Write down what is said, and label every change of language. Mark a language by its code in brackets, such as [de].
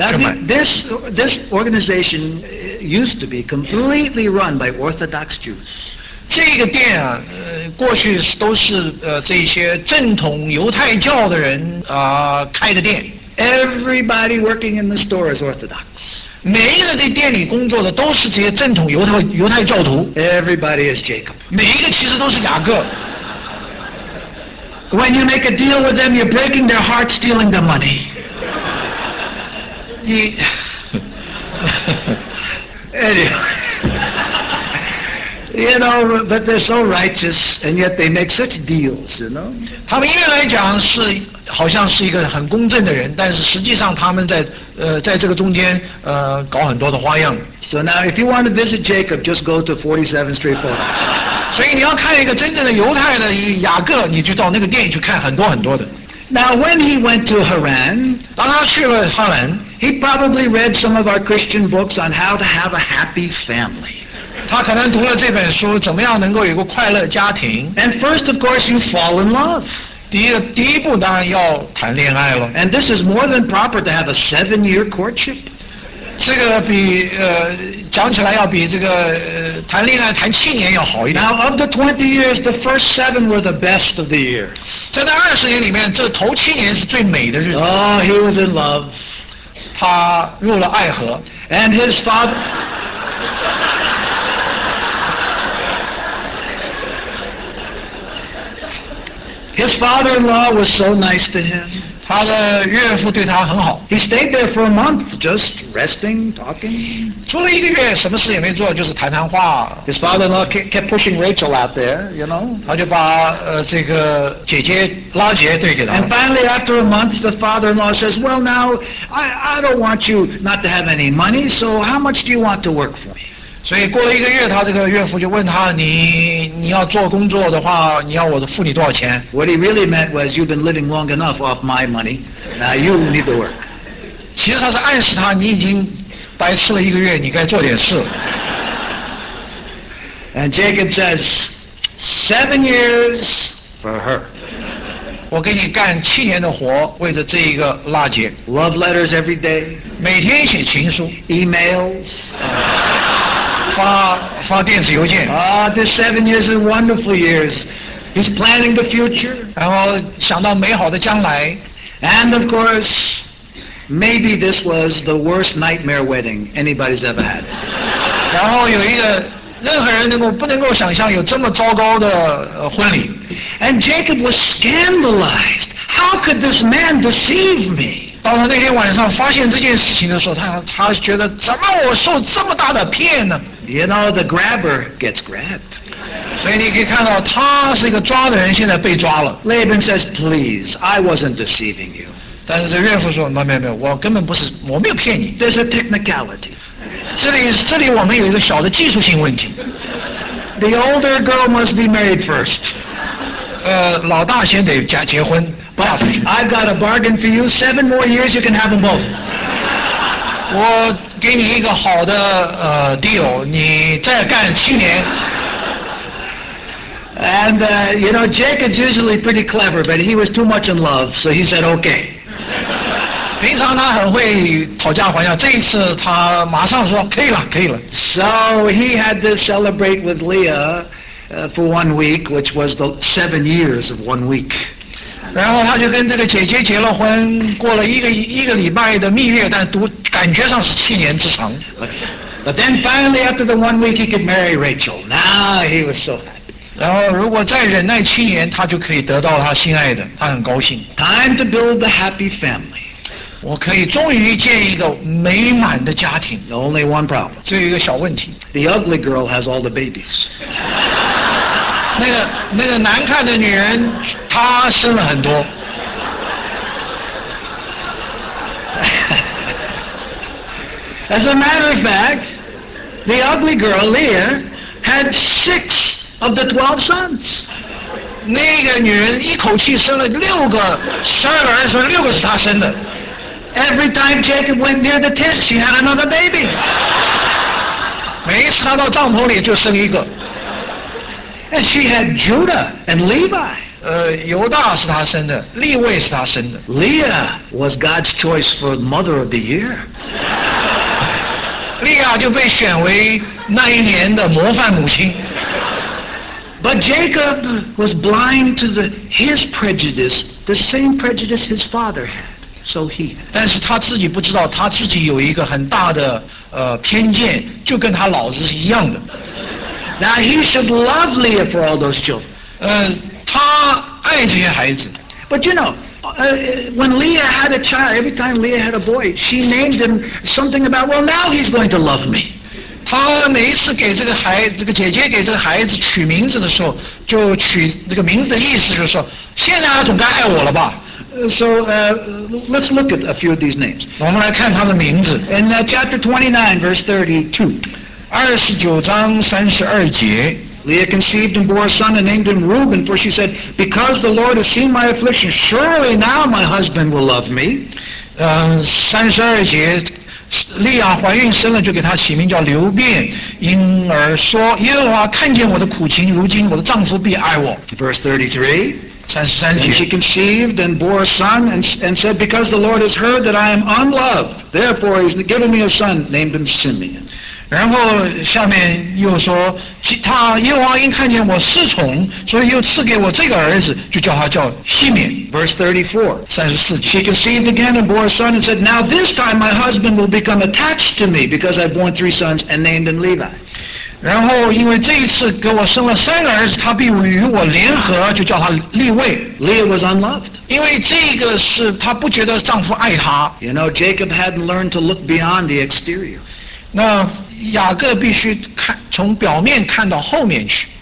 [en] This organization used to be completely run by Orthodox Jews. [zh] 这个店啊，过去都是这些正统犹太教的人开的店。 [en] Everybody working in the store is Orthodox. [zh] 每一个在店里工作的都是这些正统犹太教徒。 [en] Everybody is Jacob. [zh] 每一个其实都是雅各。 [en] When you make a deal with them, you're breaking their heart, stealing their money. [zh] 你 [en] ，anyway. You know, but they're so righteous, and yet they make such deals, you know. [zh] 他们一般来讲是好像是一个很公正的人，但是实际上他们在在这个中间搞很多的花样。 [en] So now, if you want to visit Jacob, just go to 47th Street 4. [zh] 所以你要看一个真正的犹太的雅各，你就到那个店去看很多很多的。 [en] Now, when he went to Haran, [zh] 当他去了哈兰 [en] he probably read some of our Christian books on how to have a happy family. [zh] 他可能读了这本书，怎么样能够有个快乐家庭 [en] ？And first, of course, you fall in love. [zh] 第一步当然要谈恋爱了。 [en] And this is more than proper to have a seven-year courtship. [zh] 这个比讲起来要比这个谈恋爱谈七年要好一点。 [en] Now, of the 20 years, the first seven were the best of the year. [zh] 在那二十年里面，这头七年是最美的日子。 [en] Oh, he was in love. [zh] 他入了爱河。 [en] And his father. His father-in-law was so nice to him. [zh] 他的岳父对他很好。 [en] He stayed there for a month, just resting, talking. [zh] 除了一个月，什么事也没做，就是谈谈话。 [en] His father-in-law kept pushing Rachel out there, you know. [zh] 他就把这个姐姐拉姐对给他。 [en] And finally, after a month, the father-in-law says, "Well, now I don't want you not to have any money. So how much do you want to work for me?" [zh] 所以过了一个月，他这个岳父就问他：“你要做工作的话，你要我付你多少钱？” [en] What he really meant was, "You've been living long enough off my money. Now you need to work." [zh] 其实他是暗示他，你已经白吃了一个月，你该做点事。 [en] And Jacob says, "7 years for her." [zh] 我给你干七年的活，为着这一个拉姐。 [en] Love letters every day. [zh] 每天写情书。 [en] Emails. [zh] 发电子邮件。 [en] Ah, this 7 years is wonderful years. He's planning the future. [zh] 然后想到美好的将来。 [en] And of course, maybe this was the worst nightmare wedding anybody's ever had. [zh] 然后有一个任何人不能够想象有这么糟糕的婚礼。 [en] And Jacob was scandalized. How could this man deceive me? [zh] 到他那天晚上发现这件事情的时候 他觉得怎么我受这么大的骗呢 [en] You know, the grabber gets grabbed. [zh] 所以你可以看到他是一个抓的人现在被抓了 [en] Laban says, please, I wasn't deceiving you. [zh] 但是这岳父说没有我根本不是我没有骗你 [en] There's a technicality. [zh] 这里我们有一个小的技术性问题 [en] The older girl must be married first. [zh] 老大先得结婚 [en] But I've got a bargain for you. 7 more years, you can have them both. [zh] 我给你一个好的deal. 你再干七年。 [en] And you know, Jacob's usually pretty clever, but he was too much in love, so he said okay. [zh] 平常他很会讨价还价，这一次他马上说可以了，可以了。 [en] So he had to celebrate with Leah for 1 week, which was the 7 years of 1 week. [zh] 然后他就跟这个姐姐结了婚，过了一个礼拜的蜜月，但感觉上是七年之长。 [en] But then finally, after the 1 week, he could marry Rachel. Now he was so happy. [zh] 然后如果再忍耐七年，他就可以得到他心爱的，他很高兴。 [en] Time to build the happy family. [zh] 我可以终于建一个美满的家庭。 [en] Only one problem. [zh] 只有一个小问题。 [en] The ugly girl has all the babies. [zh] 那个难看的女人她生了很多 [en] As a matter of fact the ugly girl Leah had 6 of the 12 sons [zh] 那个女人一口气生了六个十二个儿子六个是她生的 [en] Every time Jacob went near the tent she had another baby [zh] 每一次她到帐篷里就生一个 [en] And she had Judah and Levi. [zh] 犹大是她生的，利未是她生的。 [en] Leah was God's choice for Mother of the Year. [zh] 利亚就被选为那一年的模范母亲。 [en] But Jacob was blind to his prejudice, the same prejudice his father had. So he. [zh] 但是他自己不知道，他自己有一个很大的偏见，就跟他老子是一样的。 [en] Now he should love Leah for all those children. [zh] 他爱这些孩子。 [en] But you know, when Leah had a child, every time Leah had a boy, she named him something about, well, now he's going to love me. [zh] 他每次给这个孩这个姐姐给这个孩子取名字的时候就取这个名字的意思就是说现在他总该爱我了吧。 [en] Let's look at a few of these names. [zh] 我们来看他的名字。 [en] In chapter 29, verse 32. [zh] 29章32节。 [en] Leah conceived and bore a son and named him Reuben, for she said, Because the Lord has seen my affliction, surely now my husband will love me. [zh] 32节，利亚怀孕生了，就给他起名叫流便，因而说，耶和华看见我的苦情，如今我的丈夫必爱我。 [en] Verse 33. And she conceived and bore a son and said, Because the Lord has heard that I am unloved, therefore he's given me a son, named him Simeon. [zh] 然后下面又说，他耶和华因看见我失宠，所以又赐给我这个儿子，就叫他叫西缅。 [en] Verse 34. [zh] 34. [en] She conceived again and bore a son and said, Now this time my husband will become attached to me because I've borne three sons and named him Levi. [zh] 然后因为这一次给我生了三个儿子他必与我联合就叫他立位 [en] Leah was unloved [zh] 因为这个是他不觉得丈夫爱他 [en] You know, Jacob hadn't learned to look beyond the exterior [zh] 那雅各必须看从表面看到后面去